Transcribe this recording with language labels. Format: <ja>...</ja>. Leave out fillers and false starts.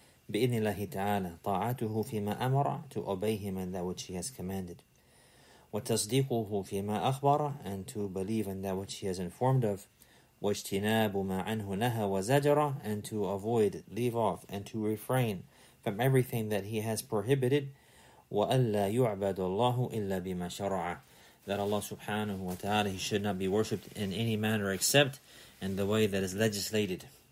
<ar>بإذن الله تعالى طاعته فيما أمر</ar> <en>to obey him in that which he has commanded.</en> <ar>وتصديقه فيما أخبر</ar> <en>and to believe in that which he has informed of.</en> <ar>واجتناب ما عنه نهى وزجر</ar> <en>and to avoid, leave off, and to refrain from everything that he has prohibited.</en> <ar>وألا يعبد الله إلا بما شرع.</ar> <en>That Allah subhanahu wa ta'ala, he should not be worshipped in any manner except in the way that is legislated.</en>